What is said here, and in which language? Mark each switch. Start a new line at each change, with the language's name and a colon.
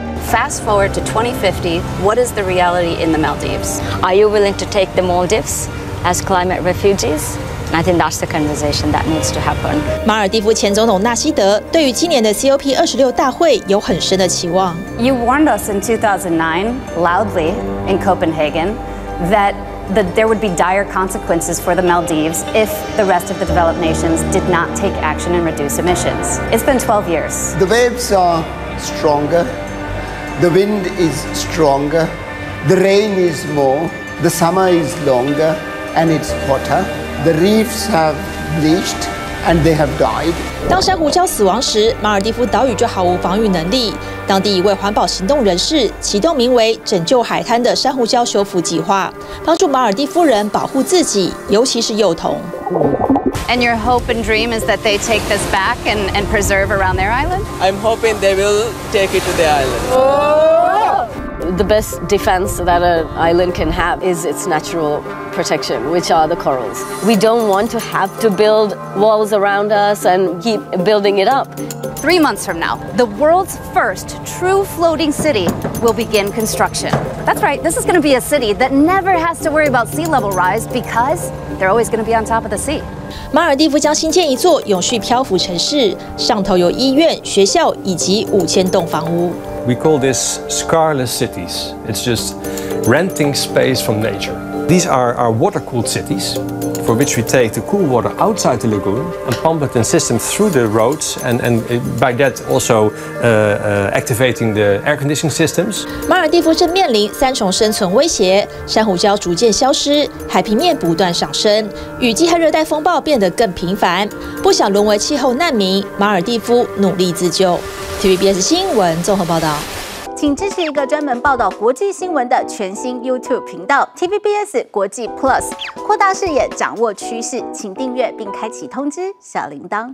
English: Fast forward to 2050, what is the reality in the Maldives? Are you willing to take the Maldives as climate refugees? I think that's the conversation that needs to happen.
Chinese: 马尔蒂夫前总统纳希德对于今年的 COP26 大会有很深的期望。
English: You warned us in 2009 loudly in Copenhagen that there would be dire consequences for the Maldives if the rest of the developed nations did not take action and reduce emissions. It's been 12 years. The waves are stronger, the wind is stronger, the rain is more, the summer is longer, and it's hotter. The reefs have bleached and they have died.
Chinese: 当珊瑚礁死亡时，马尔蒂夫岛屿就毫无防御能力。当地一位环保行动人士启动名为“拯救海滩”的珊瑚礁修复计划，帮助马尔蒂夫人保护自己，尤其是幼童。
English: And your hope and dream is that they take this back and preserve around their island? I'm hoping they will take it to the island. The best defense that an island can have is its natural protection, which are the corals. We don't want to have to build walls around us and keep building it up. 3 months from now, the world's first true floating city will begin construction. That's right, this is going to be a city that never has to worry about sea level rise because they're always going to be on top of the sea.
Chinese: 马尔蒂夫将新建一座永续漂浮城市，上头有医院、学校以及5000栋房屋。
English: We call this scarless cities. It's just renting space from nature. These are our water-cooled cities, for which we take the cool water outside the lagoon and pump it in system through the roads, and by that also activating the air conditioning systems.
Chinese: 马尔蒂夫正面临三重生存威胁：珊瑚礁逐渐消失，海平面不断上升，雨季和热带风暴变得更频繁。不想沦为气候难民，马尔蒂夫努力自救。 TVBS 新闻综合报道，请支持一个专门报道国际新闻的全新 YouTube 频道 TVBS 国际 Plus， 扩大视野，掌握趋势，请订阅并开启通知小铃铛。